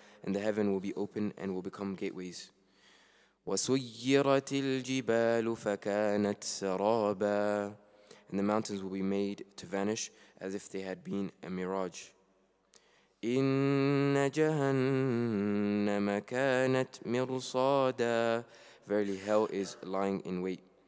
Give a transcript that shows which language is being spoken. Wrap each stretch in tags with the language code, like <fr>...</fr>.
<en>And the heaven will be open and will become gateways.</en> <ar>وسيرت الجبال فكانت سرابا.</ar> <en>And the mountains will be made to vanish as if they had been a mirage.</en> <ar>إن جهنم كانت مرصادا.</ar> <en>Verily, hell is lying in wait.</en>